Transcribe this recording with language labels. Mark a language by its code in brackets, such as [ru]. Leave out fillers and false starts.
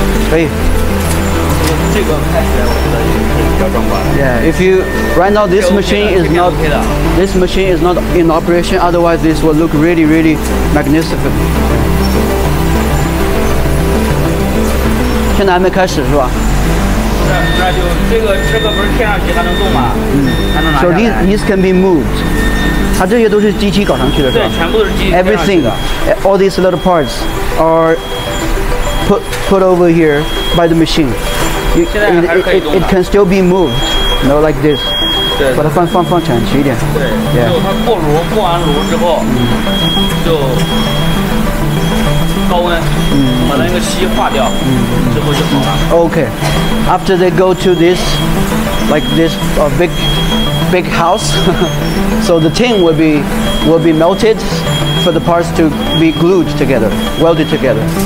[en] Hey. Yeah, if you right now this machine is not in operation, otherwise this will look really really magnificent. [zh] 现在还没开始是吧？是，那就这个不是天上去还能动吗？ [en] 嗯。So these can be moved. [zh] 它这些都是机器搞上去的，对，全部都是机器。 [en] Everything, all these little parts are put over here by the machine. It can still be moved, you know, like this. [zh] 对。把它放整齐一点。对。Yeah. 就它过炉，过完炉之后，就高温，把那个锡化掉，之后就好了。 [en] Okay. After they go to this, like this, a big, big house, so the tin will be melted for the parts to be glued together, welded together.